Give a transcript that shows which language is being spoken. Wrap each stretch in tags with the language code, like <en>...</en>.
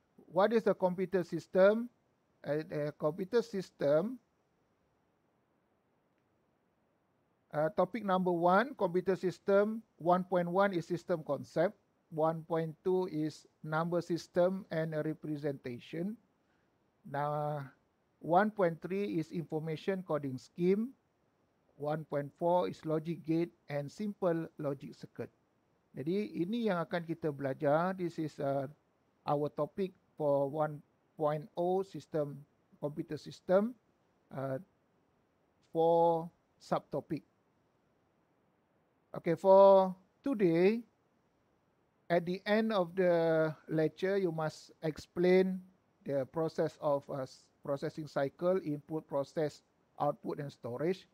<en>What is the computer system? A computer system, topic number 1, computer system, 1.1 is system concept, 1.2 is number system and a representation. Now, 1.3 is information coding scheme, 1.4 is logic gate and simple logic circuit.</en> <ms>Jadi, ini yang akan kita belajar.</ms> <en>This is our topic for 1.0 system, computer system, for subtopic. Okay, for today, at the end of the lecture, you must explain the process of processing cycle, input, process, output, and storage.</en>